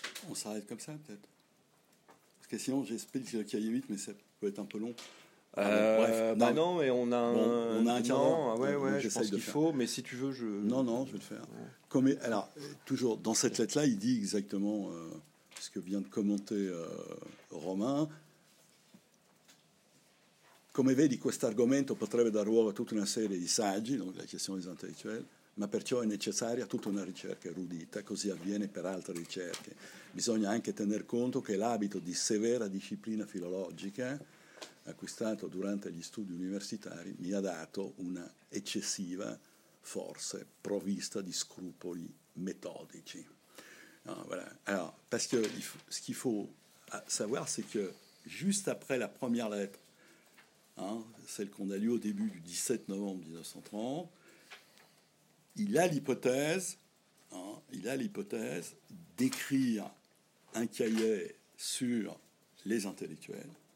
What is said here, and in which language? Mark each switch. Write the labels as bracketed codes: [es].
[fr] On s'arrête comme ça peut-être. Parce que sinon j'explique le cahier 8, mais ça peut être un peu long. Bref, non. Bah non, mais on a bon, un carnet. Ouais, je pense qu'il faut, mais si tu veux, je. Non, je vais le faire. Ouais. Comme, alors, toujours dans cette lettre-là, il dit exactement ce que vient de commenter Romain. [it] Come vedi, questo argomento potrebbe dar luogo a tutta una serie di saggi, [fr] donc la question des intellectuels. [it] Ma perciò è necessaria tutta una ricerca erudita, così avviene per altre ricerche. Bisogna anche tener conto che l'abito di severa disciplina filologica acquistato durante gli studi universitari mi ha dato una eccessiva forse provvista di scrupoli metodici. [fr] No, voilà. Alors, parce que ce qu'il faut savoir, c'est que juste après la première lettre, hein, celle qu'on a lue au début du 17 novembre 1930, il a l'hypothèse, hein, il a l'hypothèse d'écrire un cahier sur les intellectuels.